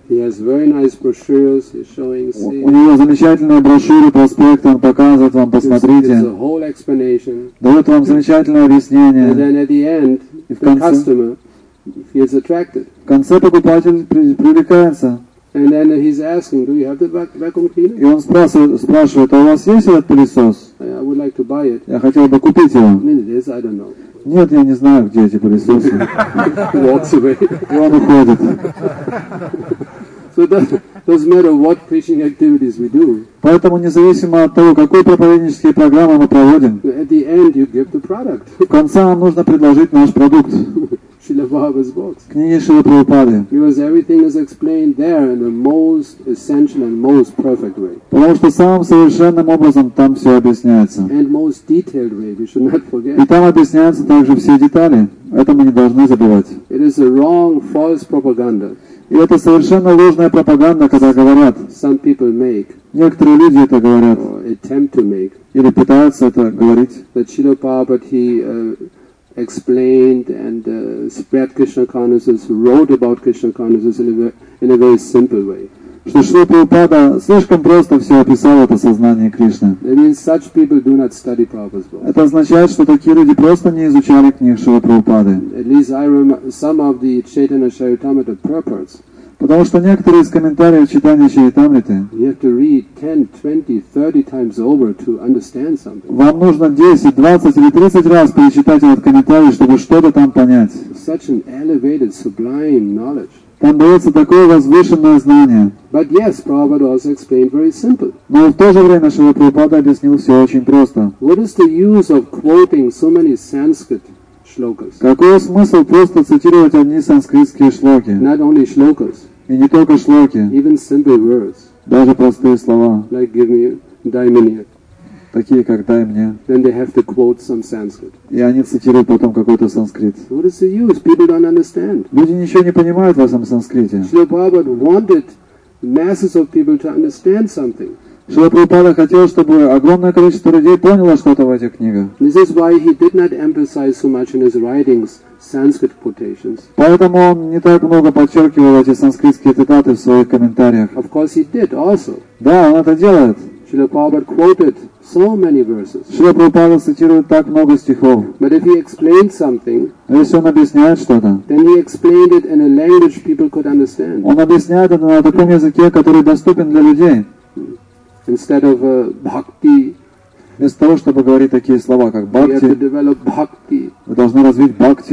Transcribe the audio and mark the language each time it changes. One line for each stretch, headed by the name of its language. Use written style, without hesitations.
English: He has very nice brochures, he's showing, see.
Russian: У него замечательные брошюры, проспекты, он показывает вам, посмотрите.
English: It's a whole explanation.
Russian: Дает вам замечательное объяснение.
English: And then at the end,
Russian: и в конце,
English: the customer, he's attracted.
Russian: В конце покупатель привлекается.
English: And then he's asking, do you have the vacuum cleaner?
Russian: И он спрашивает, а у вас есть этот пылесос?
English: I would like to buy it.
Russian: Я хотел бы купить его.
English: It is, I don't know.
Russian: Нет, я не знаю, где эти пылесосы.
English: Walks away.
Russian: И он уходит.
English: So that doesn't matter what preaching activities we do.
Russian: Поэтому независимо от того, какой проповеднические программы мы проводим.
English: At the end, you give the product.
Russian: В конце нам нужно предложить наш продукт. Книги Шрилы Прабхупады.
English: Because everything is explained there in the most essential and most perfect way.
Russian: Потому что самым совершенным образом там все объясняется.
English: And most detailed way, we should not forget.
Russian: И там объясняются также все детали. Это мы не должны забывать.
English: It is a wrong, false propaganda.
Russian: И это совершенно ложная пропаганда, когда говорят.
English: Some people make.
Russian: Некоторые люди это говорят.
English: Or attempt to make.
Russian: Или пытаются это говорить.
English: That Shrila Prabhupada, he explained and spread Krishna consciousness, wrote about Krishna consciousness in a very simple way.
Russian: Что Шрила Прабхупада слишком просто все описал это сознание Кришны.
English: It means such people do not study Prabhupada's books.
Russian: Это означает, что такие люди просто не изучали книг Шрилы Прабхупады.
English: At least I remember some of the Chaitanya Charitamrita purports.
Russian: Потому что некоторые из комментариев читания Чаритамриты.
English: You have to read 10, 20, 30 times over to understand something.
Russian: Вам нужно 10, 20 или 30 раз перечитать этот комментарий, чтобы что-то там понять.
English: Such an elevated, sublime knowledge.
Russian: Там дается такое возвышенное знание.
English: But yes, Prabhupada also explained very simple.
Russian: Но в то же время Шрила Прабхупада объяснил все очень просто.
English: What is the use of quoting so many Sanskrit shlokas?
Russian: Какой смысл просто цитировать одни санскритские шлоки?
English: Not only shlokas.
Russian: И не только шлоки.
English: Even simple words.
Russian: Даже простые слова.
English: Like give me,
Russian: дай мне. Такие, как «дай мне».
English: Then they have to quote some Sanskrit.
Russian: И они цитируют потом какой-то санскрит.
English: What is the use? People don't understand.
Russian: Люди ничего не понимают в этом санскрите.
English: Шрила Прабхупада wanted masses of people to understand something.
Russian: Шрила Прабхупада хотел, чтобы огромное количество людей поняло что-то в этих книгах.
English: This is why he did not emphasize so much in his writings Sanskrit quotations.
Russian: Поэтому он не так много подчеркивал эти санскритские цитаты в своих комментариях.
English: Of course he did also.
Russian: Да, он это делает.
English: Шрила Прабхупада quoted so many verses.
Russian: Шрила Прабхупада цитирует так много стихов.
English: But if he explained something,
Russian: если он объясняет что-то,
English: then he explained it in a language people could understand.
Russian: Он объясняет это на таком языке, который доступен для людей.
English: Instead of bhakti,
Russian: вместо того, чтобы говорить такие слова, как бхакти,
English: we have to develop bhakti.
Russian: Мы должны развить бхакти.